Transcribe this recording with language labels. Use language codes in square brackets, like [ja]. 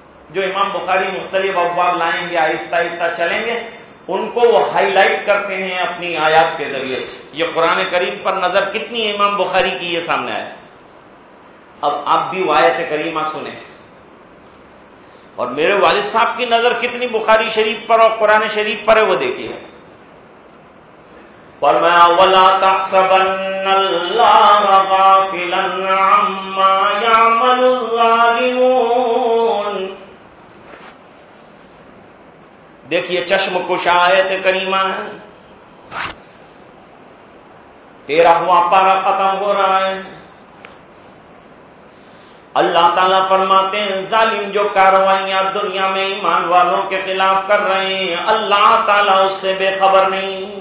[ur] جو امام بخاری مختلف ابواب لائیں گے آہستہ آہستہ چلیں گے ان کو وہ ہائی لائٹ کرتے ہیں اپنی آیات کے ذریعے سے. یہ قرآن کریم پر نظر کتنی امام بخاری کی یہ سامنے آئے. اب آپ بھی وہ آیت کریمہ سنیں اور میرے والد صاحب کی نظر کتنی بخاری شریف پر اور قرآن شریف پر ہے وہ دیکھیے. فرمایا [ar] ولا تحسبن اللہ غافلا عما يعمل الظالمون. [ur] دیکھیے چشم کش آیت کریمہ ہے, تیرہواں پارا ختم ہو رہا ہے. اللہ تعالیٰ فرماتے ہیں ظالم جو کاروائیاں دنیا میں ایمان والوں کے خلاف کر رہے ہیں اللہ تعالیٰ اس سے بے خبر نہیں.